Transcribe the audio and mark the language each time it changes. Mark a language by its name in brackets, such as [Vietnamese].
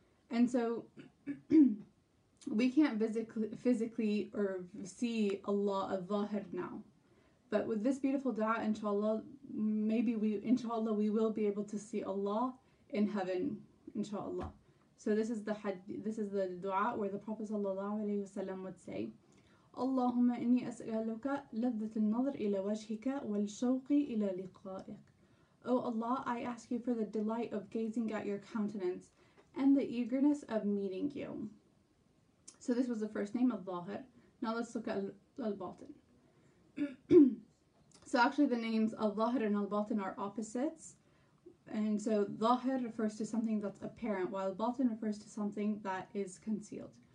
[English] And so, we can't physically or see Allah al-Dhahir now. But with this beautiful da'a, inshallah, we will be able to see Allah in heaven, inshallah. So this is the du'a where the Prophet sallallahu alaihi wasallam would say, [Arabic] اللهم إني أسألك لذة النظر إلى وجهك والشوق إلى لقائك. [English] O Allah, I ask you for the delight of gazing at your countenance and the eagerness of meeting you. So this was the first name of Dhahir. Now let's look at Al-Batin. So actually the names of Dhahir and Al-Batin are opposites. And so Dhahir refers to something that's apparent, while Batin refers to something that is concealed.